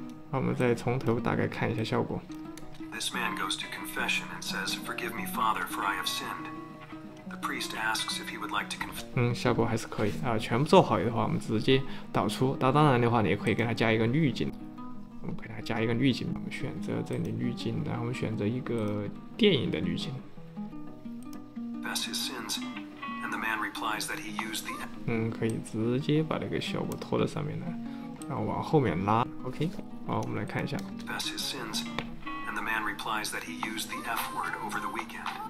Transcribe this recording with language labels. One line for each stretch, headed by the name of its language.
Chinese: 好，我们再从头大概看一下效果。
English: This man goes to confession and says, "Forgive me, Father, for I have sinned." The priest asks if he would like to confess.
Chinese: 嗯，效果还是可以啊。全部做好的话，我们直接导出。那当然的话，你也可以给它加一个滤镜。我们给它加一个滤镜，我们选择这里滤镜，然后我们选择一个电影的滤镜。
English: Confess his sins, and the man replies that he used the.
Chinese: 嗯，可以直接把这个效果拖到上面来，然后往后面拉。 OK。 好，我们来看一下。
English: Confess his sins, and the man replies that he used the F word over the weekend.